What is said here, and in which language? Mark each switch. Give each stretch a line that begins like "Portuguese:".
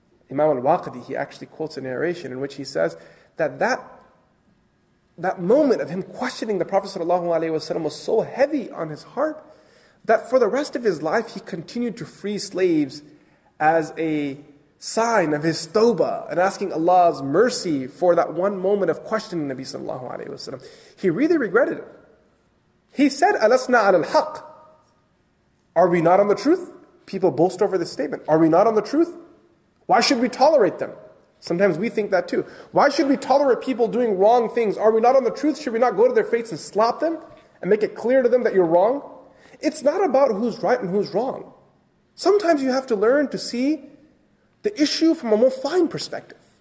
English: Imam al-Waqidi, he actually quotes a narration in which he says that moment of him questioning the Prophet sallallahu alayhi wa sallam was so heavy on his heart that for the rest of his life, he continued to free slaves as a sign of his tawbah and asking Allah's mercy for that one moment of questioning Nabi sallallahu alayhi wa sallam. He really regretted it. He said,
Arabic: أَلَسْنَا عَلَى الْحَقِّ.
English: Are we not on the truth? People boast over this statement. Are we not on the truth? Why should we tolerate them? Sometimes we think that too. Why should we tolerate people doing wrong things? Are we not on the truth? Should we not go to their face and slap them and make it clear to them that you're wrong? It's not about who's right and who's wrong. Sometimes you have to learn to see the issue from a more fine perspective.